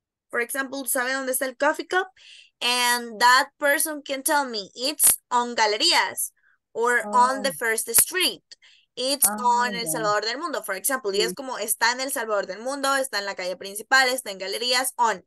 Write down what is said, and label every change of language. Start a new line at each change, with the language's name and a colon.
English: For example,
Spanish: ¿sabe dónde está el coffee cup?
English: And that person can tell me, it's on Galerías or on the first street. It's on El Salvador del Mundo, for example.
Spanish: Y es como, está en El Salvador del Mundo, está en la calle principal, está en galerías, on.